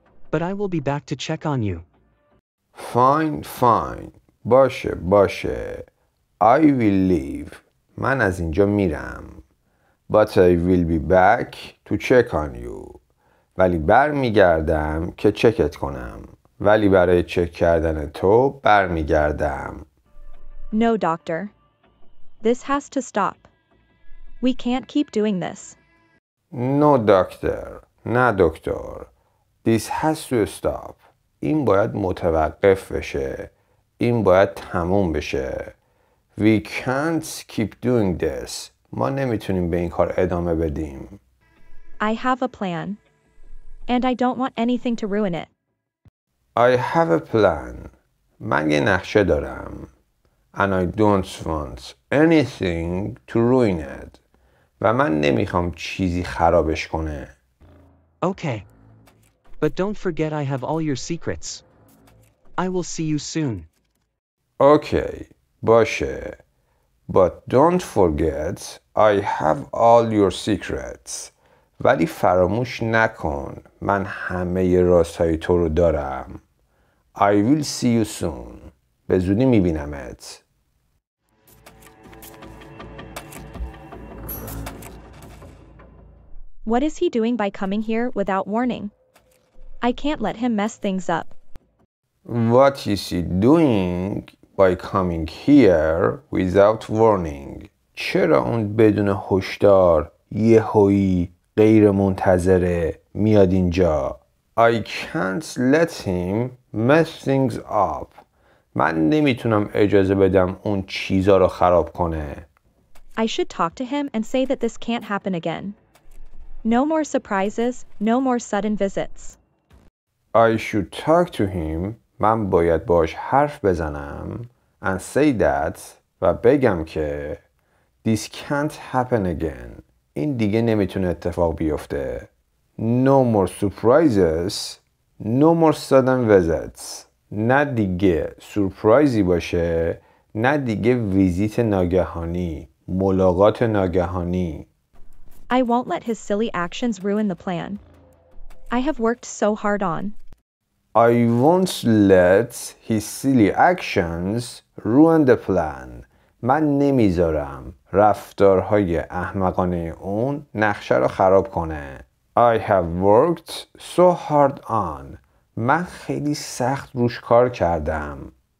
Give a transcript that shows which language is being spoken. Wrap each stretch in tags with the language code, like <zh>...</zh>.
<en>But I will be back to check on you. Fine, fine.</en> <fa>باشه, باشه.</fa> <en>I will leave.</en> <fa>من از اینجا میرم.</fa> <en>But I will be back to check on you.</en> <fa>ولی برمیگردم که چکت کنم. ولی برای چک کردن تو برمیگردم.</fa> <en>No, doctor. This has to stop. We can't keep doing this. No, doctor.</en> <fa>نه دکتر.</fa> <en>This has to stop.</en> <fa>این باید متوقف بشه. این باید تموم بشه.</fa> <en>We can't keep doing this.</en> <fa>ما نمیتونیم به این کار ادامه بدیم.</fa> <en>I have a plan. And I don't want anything to ruin it. I have a plan.</en> <fa>من یه نقشه دارم.</fa> <en>And I don't want anything to ruin it.</en> <fa>و من نمیخوام چیزی خرابش کنه.</fa> <en>Okay. But don't forget I have all your secrets. I will see you soon. Okay.</en> <fa>باشه.</fa> <en>But don't forget I have all your secrets.</en> <fa>ولی فراموش نکن. من همه ی راستای تو رو دارم.</fa> <en>I will see you soon.</en> <fa>به زودی میبینمت.</fa> <en>What is he doing by coming here without warning? I can't let him mess things up. What is he doing by coming here without warning?</en> <fa>چرا اون بدون هشدار یهویی غیر منتظره میاد اینجا؟</fa> <en>I can't let him mess things up.</en> <fa>من نمیتونم اجازه بدم اون چیزا رو خراب کنه.</fa> <en>I should talk to him and say that this can't happen again. No more surprises, no more sudden visits. I should talk to him.</en> <fa>من باید باش حرف بزنم.</fa> <en>And say that.</en> <fa>و بگم که</fa> <en>This can't happen again.</en> <fa>این دیگه نمیتونه اتفاق بیفته.</fa> <en>No more surprises. No more sudden visits.</en> <fa>نه دیگه سورپرایزی باشه. نه دیگه ویزیت ناگهانی. ملاقات ناگهانی.</fa> <en>I won't let his silly actions ruin the plan. I have worked so hard on. I won't let his silly actions ruin the plan.</en> <fa>من نمیذارم رفتارهای احمقانه اون نقشه رو خراب کنه.</fa> <en>I have worked so hard on.</en> <fa>من خیلی سخت روش کار کردم.</fa>